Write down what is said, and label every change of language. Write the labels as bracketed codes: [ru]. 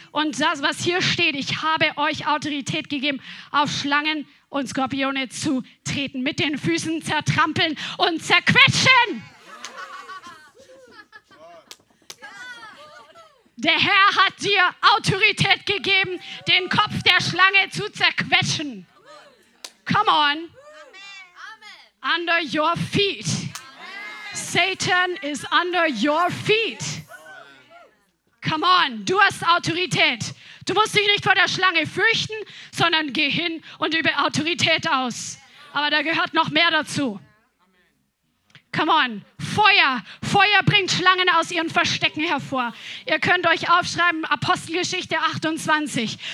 [de] Und das, was hier steht, ich habe euch Autorität gegeben, auf Schlangen und Skorpione zu treten, mit den Füßen zertrampeln und zerquetschen. Der Herr hat dir Autorität gegeben, den Kopf der Schlange zu zerquetschen. [en] Come on. Under your feet. Satan is under your feet. Come on, [de] du hast Autorität. Du musst dich nicht vor der Schlange fürchten, sondern geh hin und übe Autorität aus. Aber da gehört noch mehr dazu. [en] Come on, [de] Feuer. Feuer bringt Schlangen aus ihren Verstecken hervor. Ihr könnt euch aufschreiben, Apostelgeschichte 28.